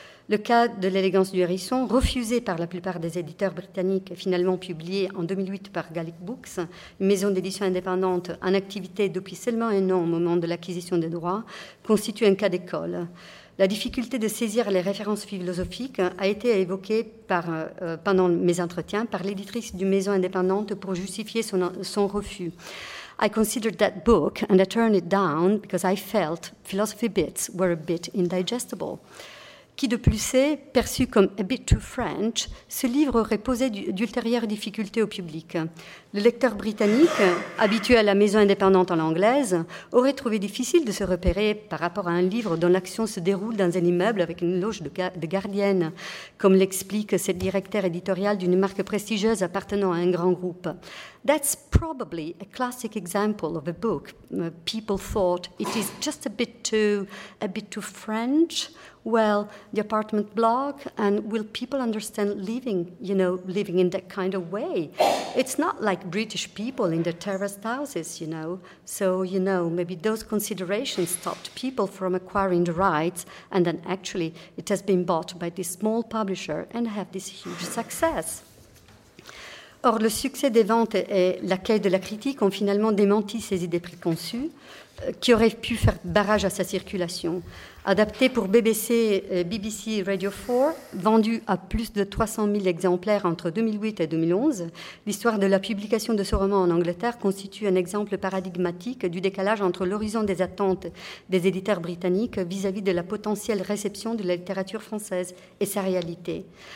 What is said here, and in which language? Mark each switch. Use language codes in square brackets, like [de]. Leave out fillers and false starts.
[fr] Le cas de l'élégance du hérisson, refusé par la plupart des éditeurs britanniques, finalement publié en 2008 par Gallic Books, une maison d'édition indépendante en activité depuis seulement un an au moment de l'acquisition des droits, constitue un cas d'école. La difficulté de saisir les références philosophiques a été évoquée pendant mes entretiens par l'éditrice d'une maison indépendante pour justifier son refus. [en] I considered that book and I turned it down because I felt philosophy bits were a bit indigestible. [fr] Qui de plus est, perçu comme « [en] a bit too French [fr] », ce livre aurait posé d'ultérieures difficultés au public. Le lecteur britannique, habitué à la maison indépendante en anglaise, aurait trouvé difficile de se repérer par rapport à un livre dont l'action se déroule dans un immeuble avec une loge de gardienne, comme l'explique cette directrice éditoriale d'une marque prestigieuse appartenant à un grand groupe. [en] « That's probably a classic example of a book. People thought it is just a bit too French. » Well, the apartment block, and will people understand living in that kind of way? It's not like British people in their terraced houses, you know. So, you know, maybe those considerations stopped people from acquiring the rights, and then actually it has been bought by this small publisher and have this huge success. [fr] Or, le succès des ventes et l'accueil de la critique ont finalement démenti ces idées préconçues qui auraient pu faire barrage à sa circulation. Adapté pour BBC, BBC Radio 4, vendu à plus de 300 000 exemplaires entre 2008 et 2011, l'histoire de la publication de ce roman en Angleterre constitue un exemple paradigmatique du décalage entre l'horizon des attentes des éditeurs britanniques vis-à-vis de la potentielle réception de la littérature française et sa réalité.